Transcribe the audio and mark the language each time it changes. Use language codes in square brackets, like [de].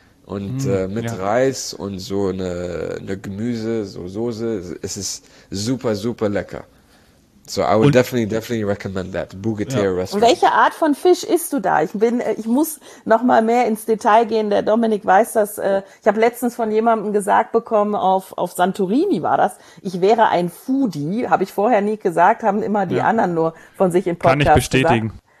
[de] Und mit Reis und so eine Gemüse, so Soße. Es ist super, super lecker. [en] So, I would definitely recommend that, Bugetier [de] Und Restaurant. welche Art von Fisch isst du da? Ich muss noch mal mehr ins Detail gehen. Der Dominik weiß das. Ich habe letztens von jemandem gesagt bekommen, auf Santorini war das. Ich wäre ein Foodie, habe ich vorher nie gesagt, haben immer die Ja, anderen nur von sich im kann ich Podcast gesagt. bestätigen.